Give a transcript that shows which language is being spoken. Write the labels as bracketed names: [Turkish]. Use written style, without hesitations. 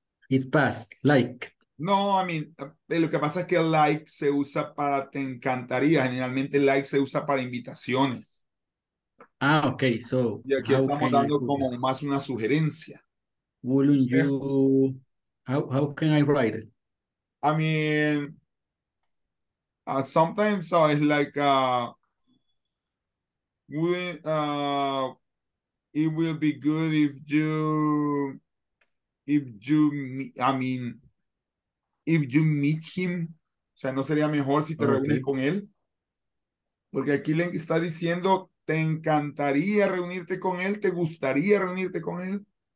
[English] It's past, like. [Spanish] No, [English] I mean, [Spanish] lo que pasa es que like se usa para te encantaría. Generalmente like se usa para invitaciones. [English] Ah, okay, so. [Spanish] Y aquí estamos dando como más una sugerencia. [English] Wouldn't you, how can I write it? I mean, sometimes it's like, it will be good if you meet him. [Spanish] O sea, no sería mejor si te reúnes con él. Porque aquí le está diciendo, te encantaría reunirte con él, te gustaría reunirte con él.